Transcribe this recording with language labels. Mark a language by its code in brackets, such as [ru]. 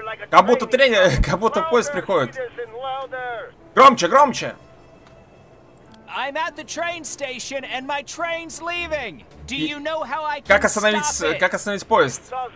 [ru] Как будто тренер, как будто поезд приходит. Громче, громче. [en] I'm at the train station and my train's leaving. Do you know how I can [ru] Как остановить, [en] stop it? [ru] Как остановить поезд?